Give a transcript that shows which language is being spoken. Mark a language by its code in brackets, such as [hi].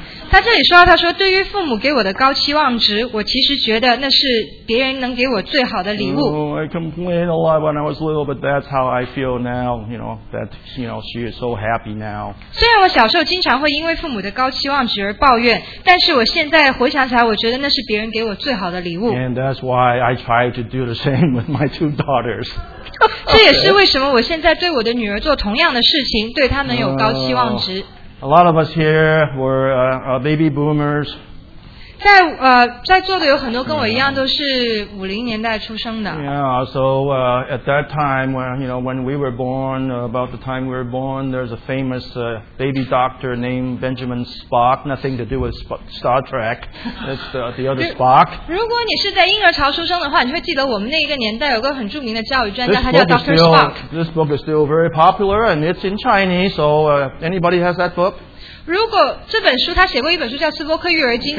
[zh] 她这里说，她说对于父母给我的高期望值，我其实觉得那是别人能给我最好的礼物。 [en] I complained a lot when I was little, but that's how I feel now. You know that you know she is so happy now. [zh] 虽然我小时候经常会因为父母的高期望值而抱怨，但是我现在回想起来，我觉得那是别人给我最好的礼物。 [en] And that's why I try to do the same with my two daughters. [zh] 这也是为什么我现在对我的女儿做同样的事情，对她们有高期望值。 [en] A lot of us here were baby boomers. [zh] 在座的有很多跟我一样都是50年代出生的。 [en] Yeah, so at that time, when we were born, about the time we were born, there's a famous baby doctor named Benjamin Spock. Nothing to do with Star Trek. It's the other Spock. [zh] 如果你是在婴儿潮出生的话，你会记得我们那一个年代有个很著名的教育专家，他叫 Dr. [en] Spock. This book is still very popular, and it's in Chinese. So anybody has that book? [zh] 如果这本书他写过一本书叫《斯波克育儿经》